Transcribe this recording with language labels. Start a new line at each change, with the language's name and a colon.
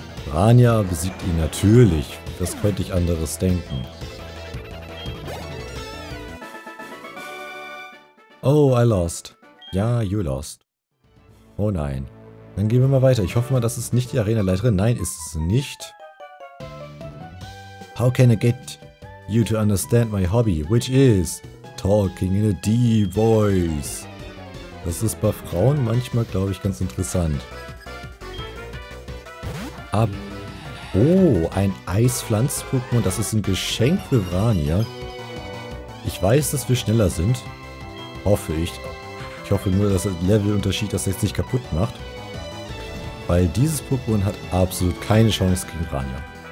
German: Vranya besiegt ihn natürlich. Das könnte ich anderes denken.
English: Oh, I lost. Ja, you lost.
German: Oh nein. Dann gehen wir mal weiter. Ich hoffe mal, das ist nicht die Arena-Leiterin. Nein, ist es nicht.
English: How can I get you to understand my hobby, which is talking in a deep voice.
German: Das ist bei Frauen manchmal, glaube ich, ganz interessant. Ab. Oh, ein Eispflanz-Pokémon. Das ist ein Geschenk für Vranya. Ich weiß, dass wir schneller sind. Hoffe ich. Ich hoffe nur, dass der Levelunterschied das jetzt nicht kaputt macht. Weil dieses Pokémon hat absolut keine Chance gegen Vranya.